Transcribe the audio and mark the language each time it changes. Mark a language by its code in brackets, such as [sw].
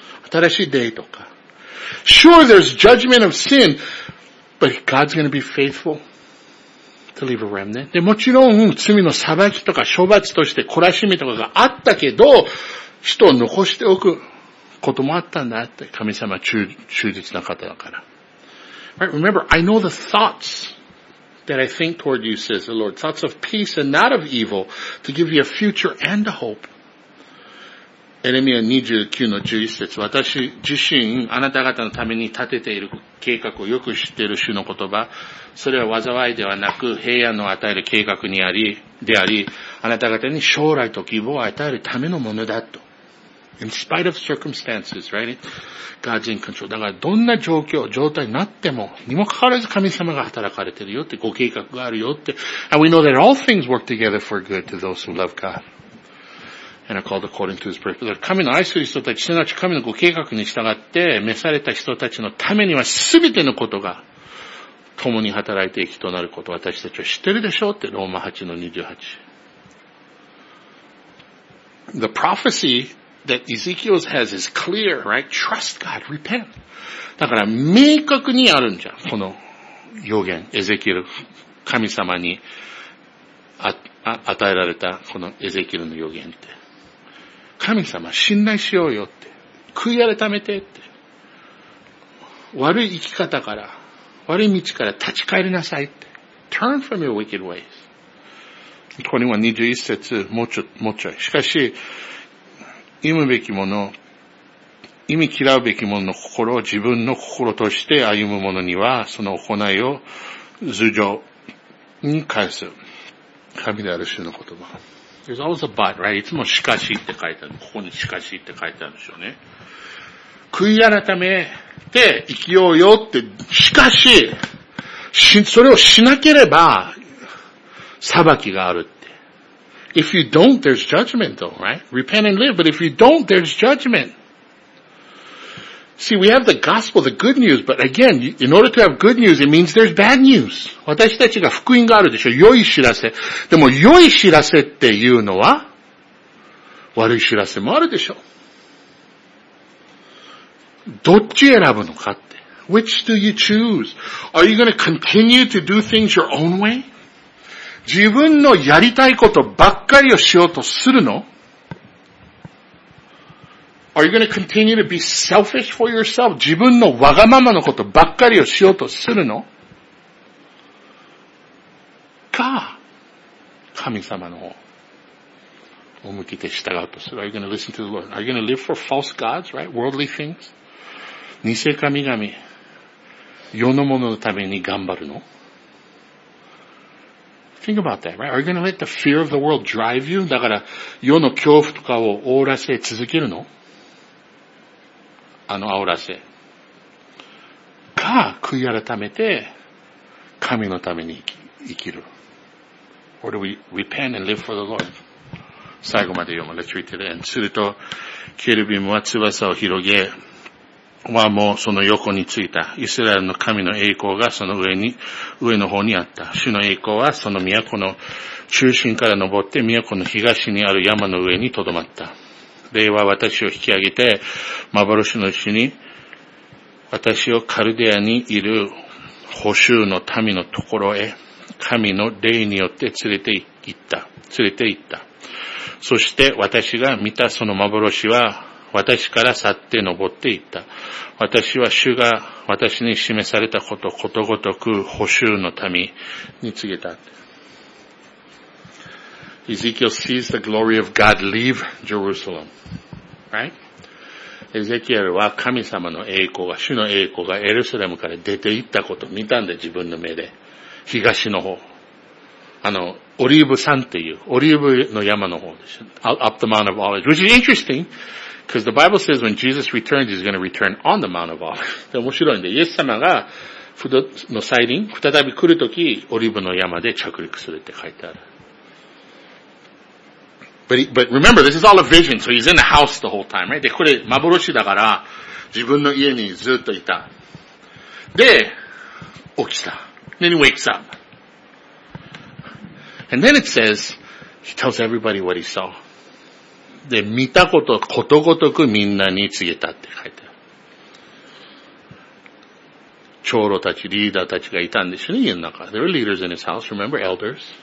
[ja] 新しい霊とか。 [en] Sure, there's judgment of sin, but God's going to be faithful to leave a remnant. [ja] で、もちろん、罪の裁きとか処罰として懲らしみとかがあったけど、人を残しておくこともあったんだって。神様は忠実な方だから。 [en] Right, remember, I know the thoughts. That I think toward you, says the Lord. Thoughts of peace and not of evil to give you a future and a hope. [ja] エレミア29の11節。私自身、あなた方のために立てている計画をよく知っている主の言葉。それは災いではなく、平安を与える計画にあり、であり、あなた方に将来と希望を与えるためのものだと。 [en] In spite of circumstances, right? God's in control. [ja] だからどんな状況、状態になっても、にもかかわらず神様が働かれてるよって、ご計画があるよって。 [en] And we know that all things work together for good to those who love God. And are called according to His purpose. [ja] 神の愛する人たち、すなわち神のご計画に従って、召された人たちのためには全てのことが、共に働いて益となること、私たちは知ってるでしょうって、ローマ8の28。 [en] The prophecy,That Ezekiel has is clear, right? Trust God, repent. [ja] だから明確にあるんじゃん、この予言、エゼキエル神様に与えられたこのエゼキエルの予言って。神様信頼しようよって。悔い改めてって。悪い生き方から、悪い道から立ち返りなさいって。 [en] Turn from your wicked ways. [ja] ここには21節、もうちょい。しかし、忌むべきもの、忌み嫌うべきものの心を自分の心として歩む者には、その行いを頭上に返す。神である主の言葉。 [en] There's always a but, right? [ja] いつもしかしって書いてある。ここにしかしって書いてあるんでしょうね。悔い改めて生きようよって、しかし、それをしなければ、裁きがあるって。 [en] If you don't, there's judgment though, right? Repent and live, but if you don't, there's judgment. See, we have the gospel, the good news, but again, in order to have good news, it means there's bad news. [ja] 私たちが福音があるでしょ。良い知らせ。でも良い知らせっていうのは、悪い知らせもあるでしょ。どっち選ぶのかって。 [en] Which do you choose? Are you going to continue to do things your own way? [ja] 自分のやりたいことばっかりをしようとするの？ [en] Are you going to continue to be selfish for yourself? [ja] 自分のわがままのことばっかりをしようとするの？か、神様の方。お向きで従うとする。 [en] Are you going to listen to the Lord? Are you going to live for false gods, right? Worldly things? [ja] 偽神々。世のもののために頑張るの? [en] Think about that, right? Are you going to let the fear of the world drive you? [ja] だから世の恐怖とかを煽らせ続けるの? あの煽らせ。か、悔い改めて神のために生きる。 [en] Or do we repent and live for the Lord? [ja] 最後まで読む。 [en] Let's read to the end. [ja] すると、ケルビムは翼を広げ、はもうその横についた。イスラエルの神の栄光がその上の方にあった。主の栄光はその都の中心から登って都の東にある山の上にとどまった。霊は私を引き上げて、幻のうちに私をカルデアにいる捕囚の民のところへ、神の霊によって連れて行った。そして私が見たその幻は、私から去って登っていった。私は主が私に示されたことをことごとく捕囚の民に告げた。 [en] Ezekiel sees the glory of God leave Jerusalem. Right? [ja] Ezekiel は神様の栄光が、主の栄光がエルサレムから出ていったことを見たんだ、自分の目で。東の方。オリーブ山っていう、オリーブの山の方でしょ。 [en] Up the Mount of Olives, which is interesting. Because the Bible says when Jesus returns, he's going to return on the Mount of Olives. [ja] 面白いんで、イエス様が、不動の再臨、再び来るとき、オリーブの山で着陸するって書いてある。 [en] But remember, this is all a vision, so he's in the house the whole time, right? [ja] で、これ、幻だから、自分の家にずっといた。で、起きた。 [en] Then he wakes up. And then it says, he tells everybody what he saw. [ja] で、見たことをことごとくみんなに告げたって書いてある。長老たち、リーダーたちがいたんでしょうね、家の中。 [en] There were leaders in his house, remember, elders.